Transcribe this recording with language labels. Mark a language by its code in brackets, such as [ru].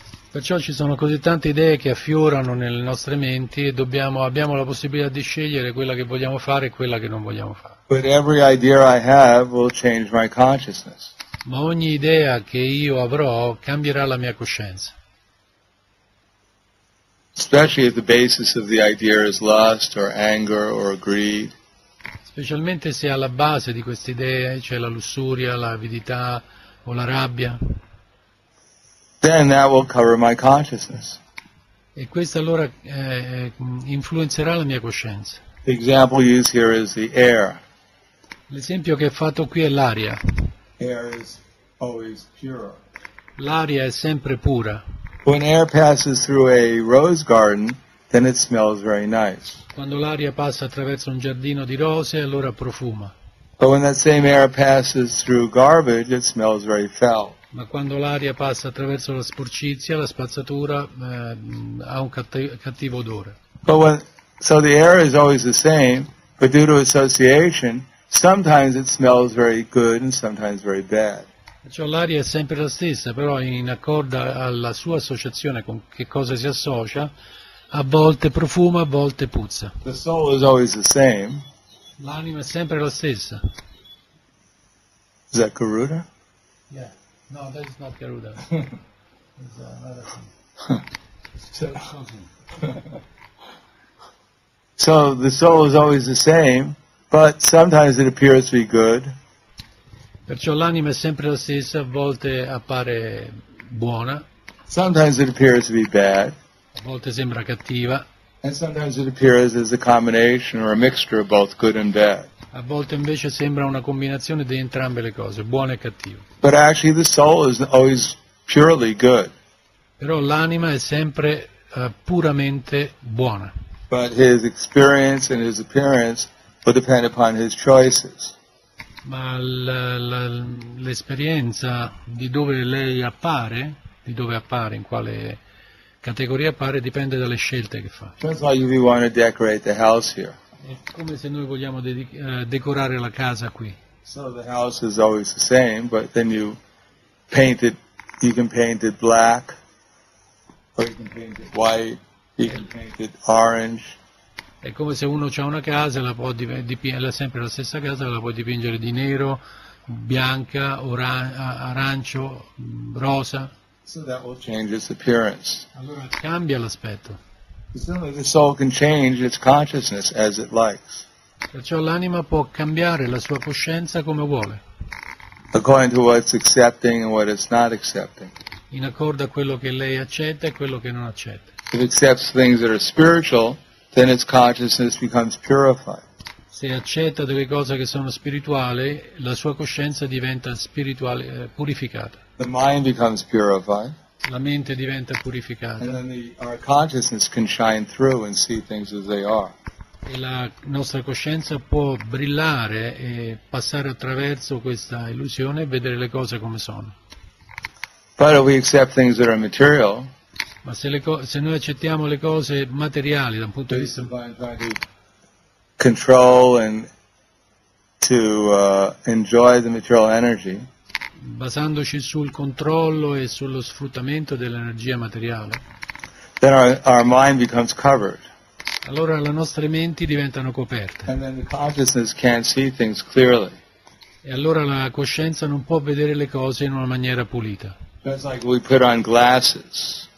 [it] Perciò ci sono così tante idee che affiorano nelle nostre menti e abbiamo la possibilità di scegliere quella che vogliamo fare e quella che non vogliamo fare. [en] But every idea I have will change my consciousness. [it] Ma ogni idea che io avrò cambierà la mia coscienza. [en] Especially if the basis of the idea is lust or anger or greed. [it] Specialmente se alla base di queste idee c'è la lussuria, l'avidità o la rabbia. [en] Then that will cover my consciousness. [it] E questo allora influenzerà la mia coscienza. [en] The example used here is the air. [it] L'esempio che è fatto qui è l'aria. [en] Air is always pure. [it] L'aria è sempre pura. [en] When air passes through a rose garden, then it smells very nice. [it] Quando l'aria passa attraverso un giardino di rose, allora profuma. [en] But when that same air passes through garbage, it smells very foul. [it] Ma quando l'aria passa attraverso la sporcizia, la spazzatura, ha un cattivo odore. [en] But when, so the air is always the same, but due to association, sometimes it smells very good and sometimes very bad. [it] Cioè l'aria è sempre la stessa, però in accordo alla sua associazione con che cosa si associa, a volte profuma, a volte puzza. [en] The soul is always the same. [it] L'anima è sempre la stessa. [en] Is that Garuda? Yeah. No, that is not Garuda. It's another thing. So the soul is always the same, but sometimes it appears to be good. [it] Perciò l'anima è sempre la stessa, a volte appare buona. [en] Sometimes it appears to be bad. [it] A volte sembra cattiva. [en] And sometimes it appears as a combination or a mixture of both good and bad. [it] A volte invece sembra una combinazione di entrambe le cose, buono e cattivo. [en] But actually the soul is always purely good. [it] Però l'anima è sempre puramente buona. [en] But his experience and his appearance will depend upon his choices. [it] Ma l'esperienza di dove lei appare, di dove appare, in quale categoria appare, dipende dalle scelte che fa. [en] That's why we want to decorate the house here. [it] È come se noi vogliamo decorare la casa qui. [en] So the house is always the same, but then you paint it, you can paint it black, or you can paint it white, you can paint it orange. [it] È come se uno c'ha una casa, la può dipingere sempre la stessa casa, la puoi dipingere di nero, bianca, arancio, rosa. [en] So that will change its appearance. [it] Allora cambia l'aspetto. [en] The soul can change its consciousness as it likes. [it] Perciò l'anima può cambiare la sua coscienza come vuole. [en] According to what's accepting and what it's not accepting. [it] In accordo a quello che lei accetta e quello che non accetta. [en] It accepts things that are spiritual, then its consciousness becomes purified. [it] Se accetta delle cose che sono spirituali, la sua coscienza diventa spirituale, purificata. [en] The mind becomes purified. [it] La mente diventa purificata. [en] And then our consciousness can shine through and see things as they are. [it] E la nostra coscienza può brillare e passare attraverso questa illusione e vedere le cose come sono. [en] But if we accept things that are material. [it] Ma se, se noi accettiamo le cose materiali da un punto di vista [en] control and to enjoy the material energy, [it] basandoci sul controllo e sullo sfruttamento dell'energia materiale, [en] then our mind becomes covered. [it] Allora le nostre menti diventano coperte. [en] And then the consciousness can't see things clearly. [it] E allora la coscienza non può vedere le cose in una maniera pulita. [en] That's like we put on glasses.